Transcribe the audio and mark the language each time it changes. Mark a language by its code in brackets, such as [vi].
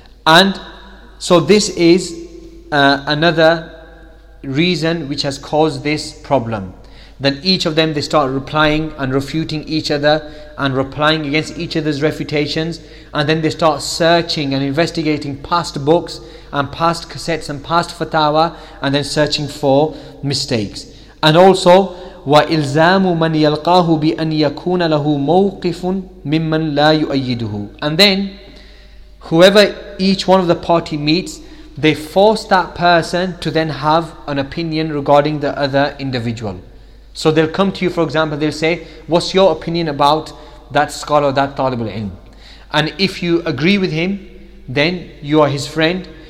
[en] And so this is another reason which has caused this problem. Then each of them, they start replying and refuting each other and replying against each other's refutations. And then they start searching and investigating past books and past cassettes and past fatawa and then searching for mistakes. And also, [ar] وَإِلْزَامُ مَنْ يَلْقَاهُ بِأَنْ يَكُونَ لَهُ مَوْقِفٌ مِمَّنْ لَا يُؤَيِّدُهُ. [en] And then, whoever each one of the party meets, they force that person to then have an opinion regarding the other individual. So they'll come to you, for example, they'll say, what's your opinion about that scholar, that talib al-ilm? And if you agree with him, then you are his friend.